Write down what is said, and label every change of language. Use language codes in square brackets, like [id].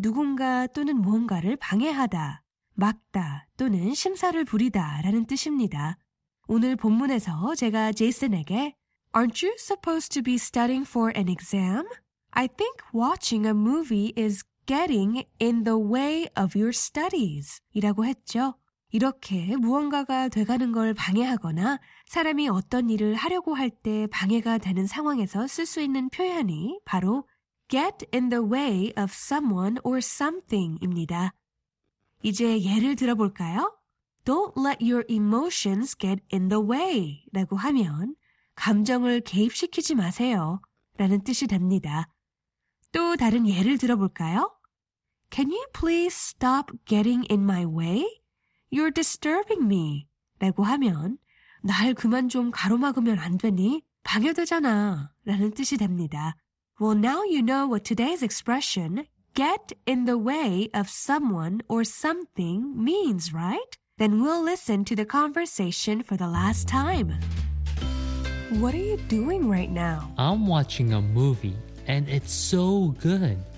[ko] 누군가 또는 무언가를 방해하다. 막다 또는 심사를 부리다 라는 뜻입니다. 오늘 본문에서 제가 제이슨에게 [en] Aren't you supposed to be studying for an exam? I think watching a movie is getting in the way of your studies [ko] 이라고 했죠. 이렇게 무언가가 돼가는 걸 방해하거나 사람이 어떤 일을 하려고 할 때 방해가 되는 상황에서 쓸 수 있는 표현이 바로 [en] get in the way of someone or something [ko] 입니다. 이제 예를 들어볼까요? [en] Don't let your emotions get in the way [ko] 라고 하면 감정을 개입시키지 마세요 라는 뜻이 됩니다. 또 다른 예를 들어볼까요? [en] Can you please stop getting in my way? You're disturbing me [ko] 라고 하면 날 그만 좀 가로막으면 안 되니? 방해되잖아 라는 뜻이 됩니다. [en] Well, now you know what today's expression get in the way of someone or something means, right? Then we'll listen to the conversation for the last time. What are you doing right now? I'm watching a movie, and it's so good.